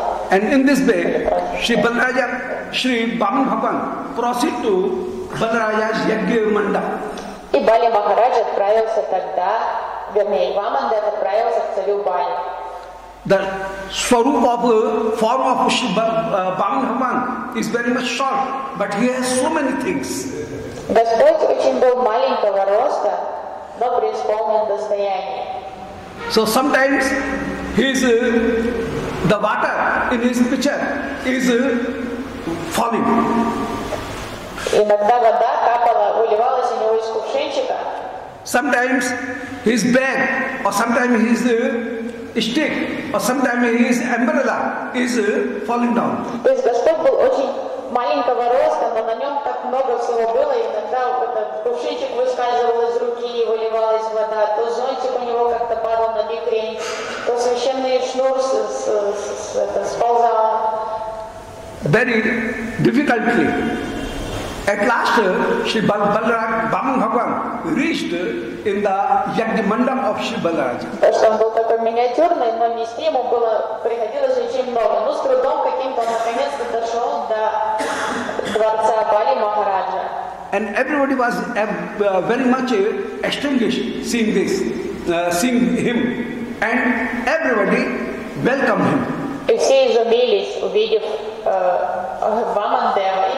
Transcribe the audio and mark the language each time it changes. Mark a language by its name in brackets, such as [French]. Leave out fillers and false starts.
[English] And in this way, Shri Balaraja, Shri Bhaman Bhavan proceed to Balaraja's Yagya Manda. [Russian] И Бали Махарадж отправился тогда, вернее, Ваманда отправился к царю Бали. [English] The swarup of form of Shri Bhaman Bhavan is very much short, but he has so many things. [Russian] Господь очень был маленького роста, но преисполнен достояния. [English] So sometimes his the water in his pitcher is falling. [Russian] Иногда вода капала, выливалась у него из кувшинчика. [English] Sometimes his bag, or sometimes his stick, or sometimes his umbrella is falling down. [Russian] То есть Господь был очень маленького роста, но на нем так много всего было, иногда этот кувшинчик выскальзывал из руки и выливалась вода, то зонтик у него как-то падал на бикрень, то священный шнур сползал. [English] Very difficultly. At last, Shri Balaraj Bhaman Bhavan reached in the Yagya Mandap of Shri Balaraj. [Russian] Он был такой миниатюрный, но нести ему было приходилось очень много. Но с трудом каким-то наконец-то дошел до дворца Бали Махараджа. [English] And everybody was very much astonished seeing this, seeing him, and everybody welcomed him. [Russian] И все изумились, увидев Вамандева.